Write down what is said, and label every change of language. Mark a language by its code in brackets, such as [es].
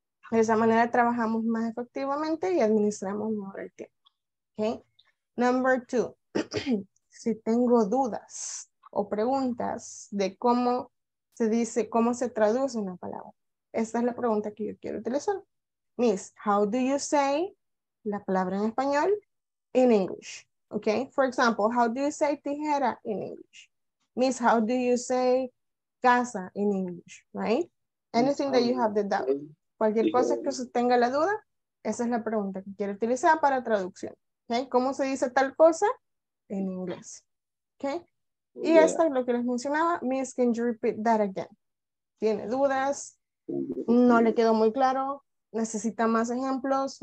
[es] De esa manera trabajamos más efectivamente y administramos mejor el tiempo. Okay? [en] Number two, [es] si tengo dudas o preguntas de cómo se dice, cómo se traduce una palabra. Esta es la pregunta que yo quiero utilizar. [en] Miss, how do you say [es] la palabra en español [en] in English? Okay, for example, how do you say tijera in English? Miss, how do you say casa in English, right? Anything that you have the doubt. [es] Cualquier cosa que usted tenga la duda, esa es la pregunta que quiero utilizar para traducción. Okay? ¿Cómo se dice tal cosa? En inglés. Okay? Y yeah. Esta es lo que les mencionaba. [en] Miss, can you repeat that again? [es] ¿Tiene dudas? ¿No le quedó muy claro? ¿Necesita más ejemplos?